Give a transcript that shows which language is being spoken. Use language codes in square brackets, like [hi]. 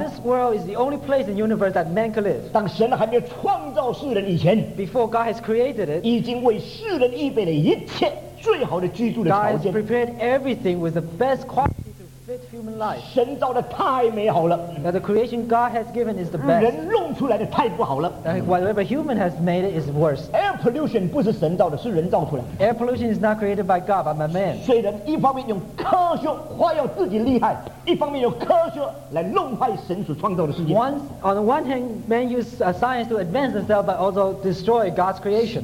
[en] This world is the only place in the universe that man can live. [zh] 当神还没有创造世人以前， [en] before God has created it, [zh] 已经为世人预备了一切最好的居住的条件。 [en] God has prepared everything with the best quality to fit human life. [zh] 神造的太美好了。 [en] That the creation God has given is the best. [zh] 人弄出来的太不好了。 [en] Whatever human has made it is worse. Air pollution is not created by God, but by man. [zh] 虽然一方面用科学夸耀自己厉害，一方面用科学来弄坏神所创造的世界。 [en] On the one hand, man used science to advance himself, but also destroy God's creation.